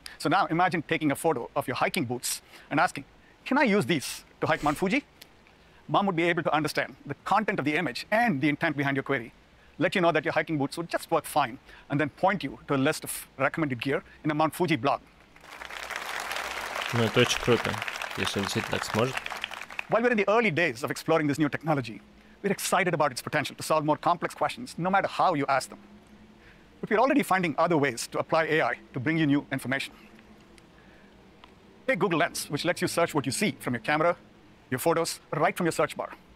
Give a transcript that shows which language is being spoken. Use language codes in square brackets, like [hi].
[en] So now imagine taking a photo of your hiking boots and asking, can I use these to hike Mount Fuji? MUM would be able to understand the content of the image and the intent behind your query, let you know that your hiking boots would just work fine, and then point you to a list of recommended gear in a Mount Fuji blog. [ru] Ну, это очень круто, если он действительно так сможет. [en] While we're in the early days of exploring this new technology, we're excited about its potential to solve more complex questions, no matter how you ask them. But we're already finding other ways to apply AI to bring you new information. Take Google Lens, which lets you search what you see from your camera, your photos, right from your search bar.